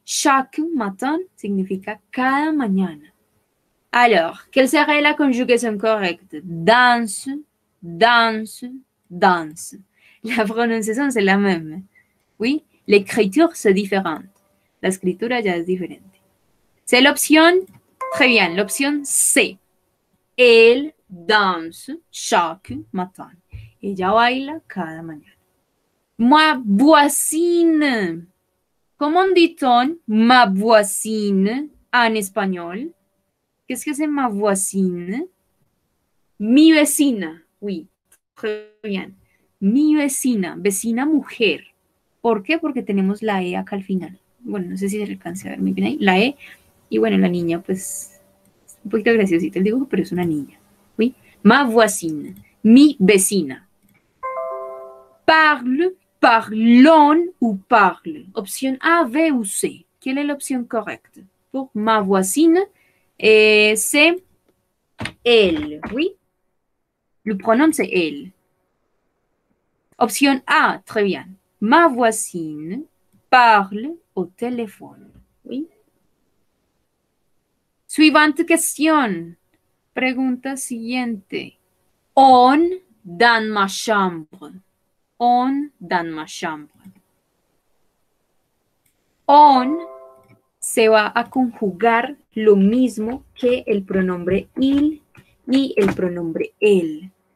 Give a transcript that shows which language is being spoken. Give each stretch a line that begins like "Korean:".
French: Chaque matin
Spanish: significa cada mañana.
French: Alors, quelle serait la conjugaison correcte? Danse. La prononciation, c'est la même. Oui? L'écriture, c'est différent.
Spanish: La escritura ya es diferente.
French: C'est l'option, très bien, l'option C. Elle danse chaque matin.
Spanish: Ella baila cada mañana.
French: Ma voisine. Comment dit-on ma voisine en espagnol? Qu'est-ce que c'est ma voisine?
Spanish: Mi vecina, oui.
French: Très bien.
Spanish: Mi vecina, vecina mujer. ¿Por qué? Porque tenemos la E acá al final. Bueno, no sé si se alcance a ver muy bien ahí. La E. Y bueno, la niña, pues, es un poquito graciosita el dibujo, pero es una niña.
French: ¿Sí? Ma voisine.
Spanish: Mi vecina.
French: Parle, parlon o parle.
Spanish: Opción A, B o C. ¿Cuál es la opción correcta?
French: Por ma voisine, c'est elle.
Spanish: ¿Sí?
French: Le pronom, c'est elle.
Spanish: Opción A,
French: très bien. Ma voisine parle au téléphone. Oui. Suivante question.
Spanish: Pregunta siguiente.
French: On dans ma chambre. On dans ma chambre.
Spanish: On se va a conjugar lo mismo que el pronombre il y el pronombre él.